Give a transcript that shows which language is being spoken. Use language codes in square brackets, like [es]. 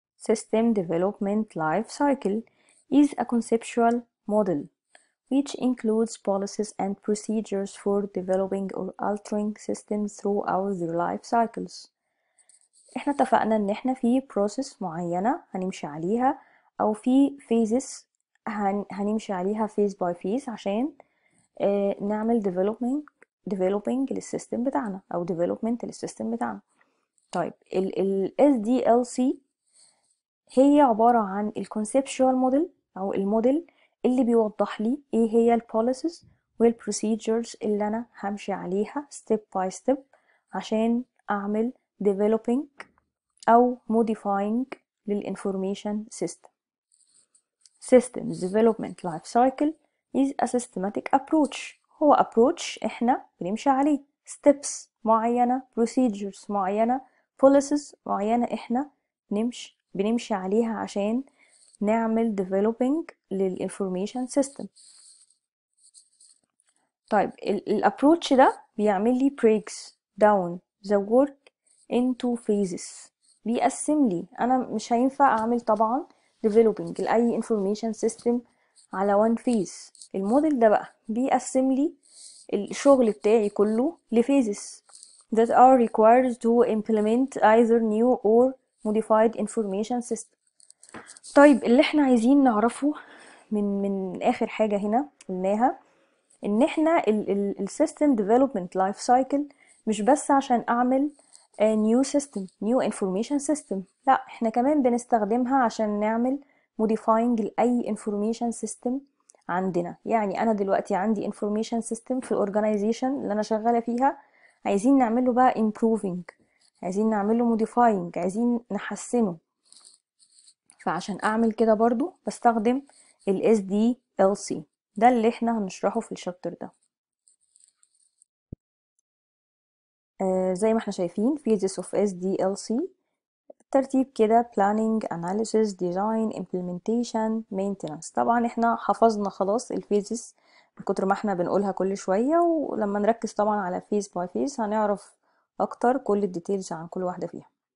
[en] System development life cycle is a conceptual model which includes policies and procedures for developing or altering systems throughout their life cycles. [ar] احنا اتفقنا ان احنا في process معينة هنمشي عليها او في phases هنمشي عليها phase by phase عشان نعمل developing للسيستم بتاعنا او development للسيستم بتاعنا. طيب، ال SDLC هي عبارة عن ال conceptual model او الموديل اللي بيوضح لي ايه هي البوليسز والبروسيجرز اللي انا همشي عليها step by step عشان اعمل developing او modifying للinformation system. [en] Systems development life cycle is a systematic approach. [ar] هو approach احنا بنمشي عليه steps معينة procedures معينة policies معينة احنا بنمشي عليها عشان نعمل developing للinformation system. طيب، الابروتش ده بيعمل لي [en] breaks down the work into phases، [ar] بيقسم لي. انا مش هينفع اعمل طبعا developing لأي information system على one phase. الموديل ده بقى بيقسم لي الشغل بتاعي كله [en] لphases that are required to implement either new or modified information system. [ar] طيب، اللي احنا عايزين نعرفه من اخر حاجة هنا قلناها ان احنا ال system development life cycle مش بس عشان اعمل [en] a new system new information system، [ar] لا، احنا كمان بنستخدمها عشان نعمل modifying لأي information system عندنا. يعني انا دلوقتي عندي انفورميشن سيستم في الاورجانيزيشن اللي انا شغاله فيها، عايزين نعمله بقى امبروفينج، عايزين نعمله موديفاينج، عايزين نحسنه. فعشان اعمل كده برضو بستخدم ال SDLC، ده اللي احنا هنشرحه في الشابتر ده. زي ما احنا شايفين [en] phases of SDLC، ترتيب كده planning, analysis, design, implementation, maintenance. [ar] طبعا احنا حفظنا خلاص الفيزز من كتر ما احنا بنقولها كل شوية، ولما نركز طبعا على phase by phase هنعرف اكتر كل الديتيلز عن كل واحدة فيها.